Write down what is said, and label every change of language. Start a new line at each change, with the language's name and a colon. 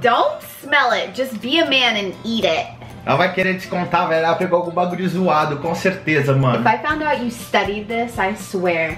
English: Don't smell it. Just be a man and eat it.
Portuguese: Ela vai querer descontar, velho. Ela pegou algum bagulho zoado, com certeza, mano.
English: If I found out you studied this, I swear.